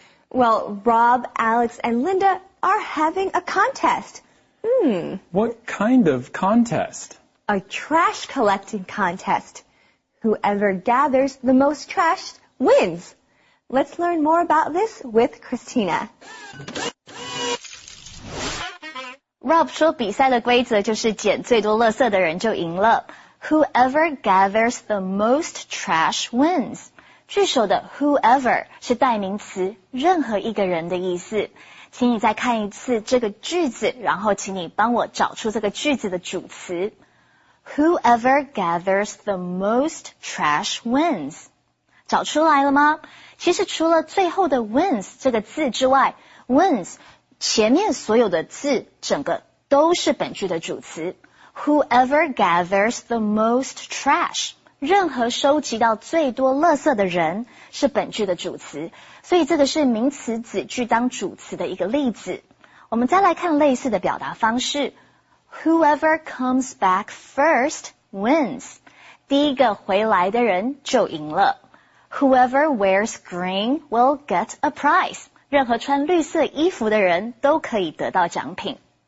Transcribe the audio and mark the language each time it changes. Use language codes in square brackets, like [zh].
[en] Well, Rob, Alex, and Linda are having a contest. What kind of contest? A trash collecting contest. Whoever gathers the most trash wins. Let's learn more about this with Christina. [zh] Rob 说比赛的规则就是捡最多垃圾的人就赢了。 [en] Whoever gathers the most trash wins. [zh] 句首的 whoever 是代名词任何一个人的意思。请你再看一次这个句子，然后请你帮我找出这个句子的主词。 [en] Whoever gathers the most trash wins. [zh] 找出来了吗？其实除了最后的 wins 这个字之外， wins 前面所有的字整个都是本句的主词。 [en] Whoever gathers the most trash. [zh] 任何收集到最多垃圾的人是本句的主词。所以这个是名词子句当主词的一个例子。我们再来看类似的表达方式。 [en] Whoever comes back first wins. [zh] 第一个回来的人就赢了。 [en] Whoever wears green will get a prize. [zh] 任何穿绿色衣服的人都可以得到奖品。